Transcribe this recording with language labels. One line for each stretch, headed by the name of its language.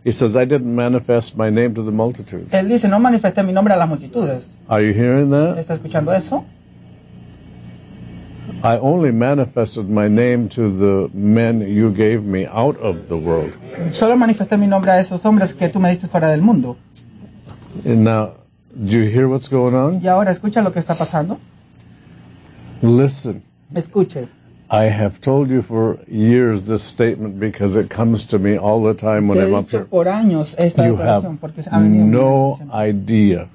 English: he says, I didn't manifest my name to the multitudes.
Spanish: Él dice, no manifesté mi nombre a las multitudes.
English: Are you hearing that?
Spanish: ¿Está escuchando eso?
English: I only manifested my name to the men you gave me out of the world.
Spanish: Solo manifesté mi nombre a esos hombres que tú me diste fuera del mundo.
English: And now, do you hear what's going on?
Spanish: ¿Y ahora escucha lo que está pasando?
English: Listen.
Spanish: Escuche.
English: I have told you for years this statement because it comes to me all the time when I'm up here.
Spanish: Por años esta
English: you have no idea.